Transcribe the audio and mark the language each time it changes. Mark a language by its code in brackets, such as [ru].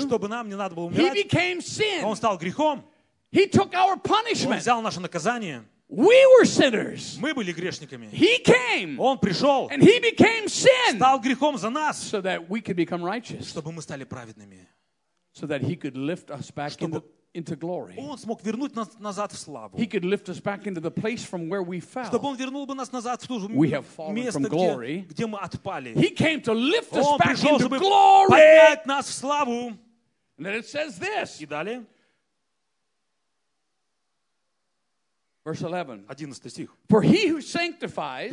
[ru] Чтобы нам не надо было умирать. [en] He became sin. [ru] Он стал грехом. [en] He took our punishment. [ru] Он взял наше наказание. [en] We were sinners. [ru] Мы были грешниками. [en] He came. [ru] Он пришел. [en] And he became sin. [ru] Стал грехом за нас. [en] So that we could become righteous. [ru] Чтобы мы стали праведными. [en] So that he could lift us back into glory. [ru] Он смог вернуть нас назад в славу. [en] He could lift us back into the place from where we fell. [ru] Чтобы он вернул бы нас назад в то же место, [en] we have fallen from glory. [ru] Где мы отпали. [en] He came to lift us back [ru] пришел, [en] into glory. [ru] Поднять нас в славу. [en] And then it says this. [ru] И далее. [en] Verse 11. [ru] 11 стих. [en] For he who sanctifies,